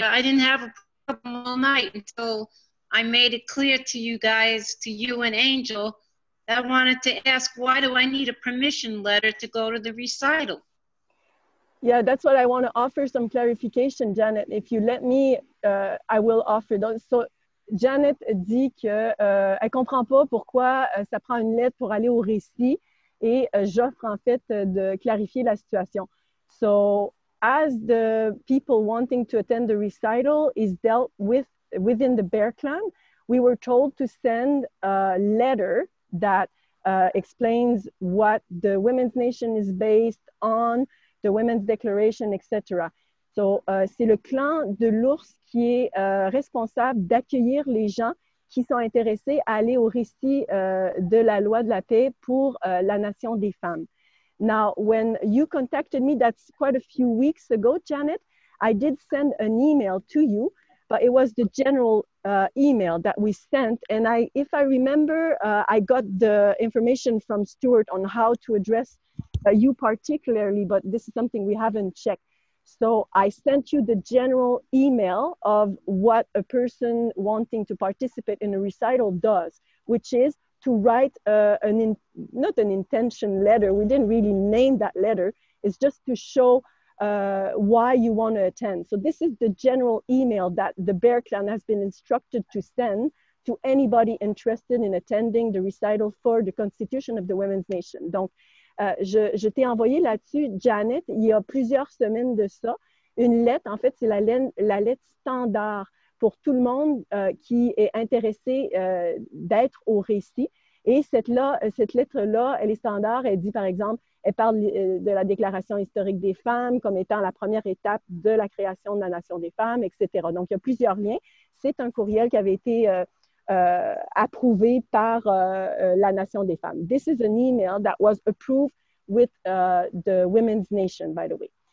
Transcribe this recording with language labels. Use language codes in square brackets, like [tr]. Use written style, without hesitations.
[en] I didn't have a problem all night until I made it clear to you guys, to you and Angel, I wanted to ask, why do I need a permission letter to go to the recital? Yeah, that's what I want to offer some clarification, Janet. If you let me, I will offer. [fr] So, Janet dit que elle comprend pas pourquoi ça prend une lettre pour aller au récit, et j'offre en fait de clarifier la situation. [en] So, as the people wanting to attend the recital is dealt with within the Bear Clan, we were told to send a letter that explains what the Women's Nation is based on, the Women's Declaration, etc. [fr] So, c'est le clan de l'ours qui est responsable d'accueillir les gens qui sont intéressés à aller au récit de la loi de la paix pour la nation des femmes. [en] Now, when you contacted me, that's quite a few weeks ago, Janet, I did send an email to you, but it was the general email that we sent. And if I remember, I got the information from Stuart on how to address you particularly, but this is something we haven't checked. So I sent you the general email of what a person wanting to participate in a recital does, which is to write not an intention letter. We didn't really name that letter. It's just to show why you want to attend. So this is the general email that the Bear Clan has been instructed to send to anybody interested in attending the recital for the Constitution of the Women's Nation. [fr] Donc, je t'ai envoyé là-dessus, Janet, il y a plusieurs semaines de ça, une lettre, en fait, c'est la lettre standard pour tout le monde qui est intéressé d'être au récit. Et cette lettre-là, elle est standard. Elle dit, par exemple, elle parle de la déclaration historique des femmes comme étant la première étape de la création de la nation des femmes, etc. Donc, il y a plusieurs liens. C'est un courriel qui avait été approuvé par la nation des femmes. [en] This is an email that was approved with the Women's Nation, by the way.